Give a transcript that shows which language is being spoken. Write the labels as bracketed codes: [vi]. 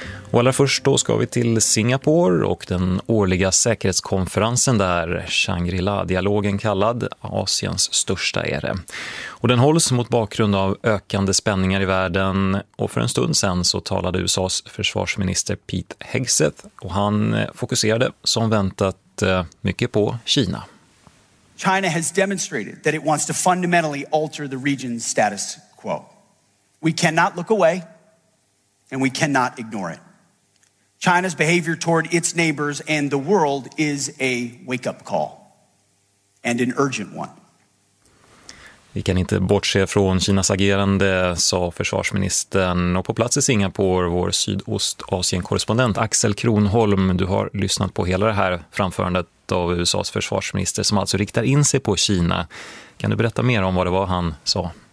[sv] Och allra först då ska vi till Singapore och den årliga säkerhetskonferensen där, Shangri-La-dialogen kallad, Asiens största är det. Och den hålls mot bakgrund av ökande spänningar i världen, och för en stund sen så talade USAs försvarsminister Pete Hegseth och han fokuserade som väntat mycket på Kina. [en] China has demonstrated that it wants to fundamentally alter the region's status quo. We cannot look away and we cannot ignore it. China's behavior toward its neighbors and the world is a wake-up call, and an urgent one. [sv] Vi kan inte bortse från Kinas agerande, sa försvarsministern. Och på plats i Singapore, vår sydostasienkorrespondent Axel Kronholm. Du har lyssnat på hela det här framförandet av USAs försvarsminister som alltså riktar in sig på Kina. Kan du berätta mer om vad det var han sa?